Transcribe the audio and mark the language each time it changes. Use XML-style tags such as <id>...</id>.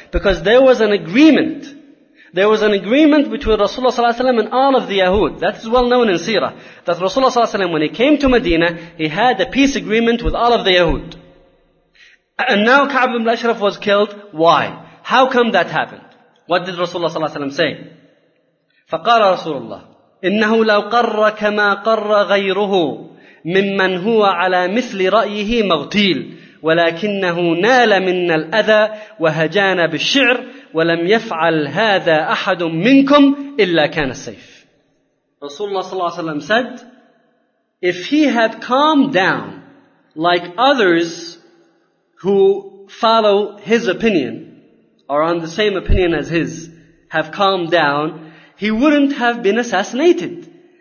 <en>Because there was an agreement. There was an agreement between Rasulullah sallallahu alaihi wasallam and all of the Yahud. That is well known in Seerah. That Rasulullah sallallahu alaihi wasallam, when he came to Medina, he had a peace agreement with all of the Yahud. And now Ka'b ibn al-Ashraf was killed. Why? How come that happened? What did Rasulullah sallallahu alaihi wasallam say?</en> <ar>فقال رسول الله إنه لو قر كما قر غيره ممن هو على مثل رأيه مغتيل ولكنه نال من الأذى وهجان بالشعر ولم يفعل هذا أحد منكم إلا كان السيف.</ar> <en>Rasulullah sallallahu alaihi wasallam said, if he had calmed down like others who follow his opinion, are on the same opinion as his, have calmed down, he wouldn't have been assassinated.</en>